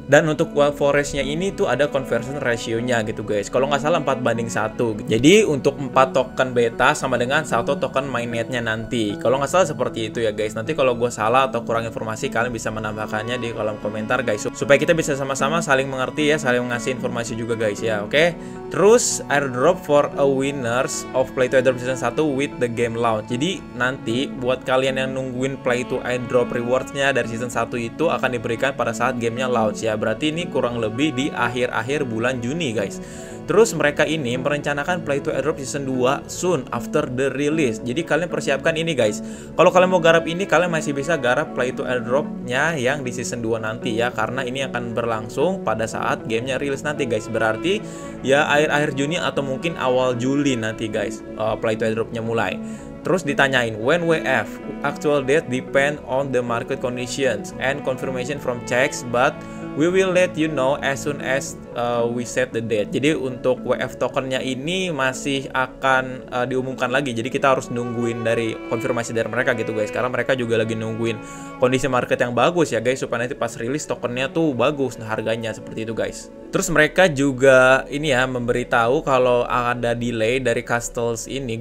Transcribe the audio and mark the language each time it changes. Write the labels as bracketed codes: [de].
[id] Dan untuk Wild Forest-nya ini tuh ada conversion ratio-nya gitu guys, kalau nggak salah 4:1. Jadi untuk 4 token beta sama dengan 1 token mainnet-nya nanti, kalau nggak salah seperti itu ya guys. Nanti kalau gue salah atau kurang informasi, kalian bisa menambahkannya di kolom komentar guys, supaya kita bisa sama-sama saling mengerti ya, saling ngasih informasi masih juga guys ya. Oke, terus [en] airdrop for a winners of play to airdrop season 1 with the game launch. [id] Jadi nanti buat kalian yang nungguin play to airdrop rewardsnya dari season 1 itu akan diberikan pada saat gamenya launch ya, berarti ini kurang lebih di akhir-akhir bulan Juni guys. Terus mereka ini merencanakan [en] play to airdrop season 2 soon after the release. [id] Jadi kalian persiapkan ini guys, kalau kalian mau garap ini, kalian masih bisa garap play to airdropnya yang di season 2 nanti ya, karena ini akan berlangsung pada saat gamenya rilis nanti guys. Berarti ya akhir-akhir Juni atau mungkin awal Juli nanti guys play to airdropnya mulai. Terus ditanyain, [en] when WF, actual date depend on the market conditions and confirmation from checks, but we will let you know as soon as we set the date. [id] Jadi untuk WF tokennya ini masih akan diumumkan lagi, jadi kita harus nungguin dari konfirmasi dari mereka gitu guys. Karena mereka juga lagi nungguin kondisi market yang bagus ya guys, supaya nanti pas rilis tokennya tuh bagus harganya, seperti itu guys. Terus mereka juga ini ya memberitahu kalau ada delay dari castles ini.